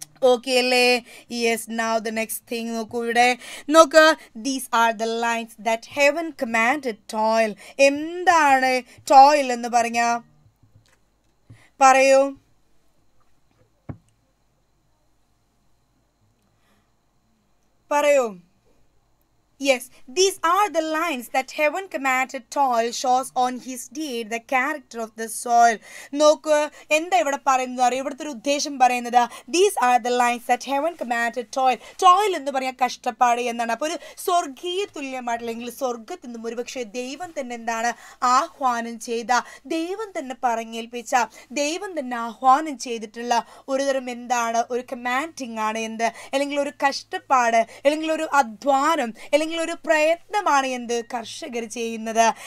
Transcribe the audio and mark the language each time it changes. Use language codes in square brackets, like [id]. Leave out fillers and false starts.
[en] Okay അല്ലേ, yes. Now the next thing നോക്കൂ, [ml] ഇവിടെ നോക്ക്, [en] These are the lines that heaven commanded toil. [ml] എന്താണ് ടോയിൽ എന്ന് പറഞ്ഞാ, പറയൂ, പറയൂ. [en] Yes, these are the lines that heaven commanded toil shows on his deed the character of the soil. [ml] നോക്ക് എന്താ ഇവിടെ പറയുന്നത്, അറിയ ഇവിടുത്തെ ഒരു ഉദ്ദേശം പറയുന്നത്, [en] These are the lines that heaven command toil. [ml] ടോയിൽ എന്ന് പറയാൻ കഷ്ടപ്പാട് എന്നാണ്. അപ്പോൾ ഒരു സ്വർഗീയ തുല്യമായിട്ടില്ലെങ്കിൽ സ്വർഗത്തിൽ നിന്നും ഒരുപക്ഷെ ദൈവം തന്നെ എന്താണ് ആഹ്വാനം ചെയ്ത, ദൈവം തന്നെ പറഞ്ഞേൽപ്പിച്ച, ദൈവം തന്നെ ആഹ്വാനം ചെയ്തിട്ടുള്ള ഒരുതരം എന്താണ് ഒരു കമാൻഡിങ് ആണ് എന്ത്, അല്ലെങ്കിൽ ഒരു കഷ്ടപ്പാട്, അല്ലെങ്കിൽ ഒരു അധ്വാനം, അല്ലെങ്കിൽ ഒരു പ്രയത്നമാണ് എന്ത് കർഷകർ ചെയ്യുന്നത്.